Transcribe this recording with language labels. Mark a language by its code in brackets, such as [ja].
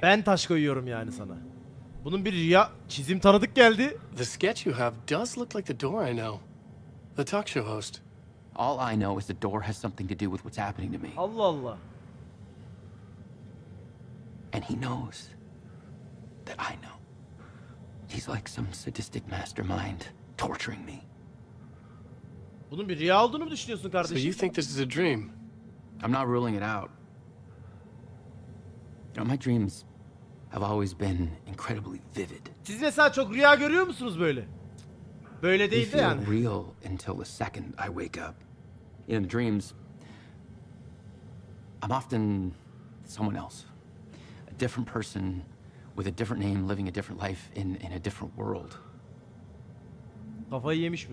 [tr] Ben taş koyuyorum yani sana. Bunun bir rüya çizim tanıdık geldi. [en] The sketch you have does look like the door I know. The talk show host. All I know is the door has something to do with what's happening to me. [tr] Allah Allah. [en] And he knows that I know. He's like some sadistic mastermind torturing me. [tr] Bunun bir rüya olduğunu mu düşünüyorsun kardeşim? [en] So you think this is a dream? I'm not ruling it out. You know, my dreams have always been incredibly vivid. [tr] Siz mesela çok rüya görüyor musunuz böyle? Böyle değil de yani. [en] They feel real until the second I wake up. In the dreams, I'm often someone else. A different person with a different name living a different life in a different world. [tr] Kafayı yemiş bu.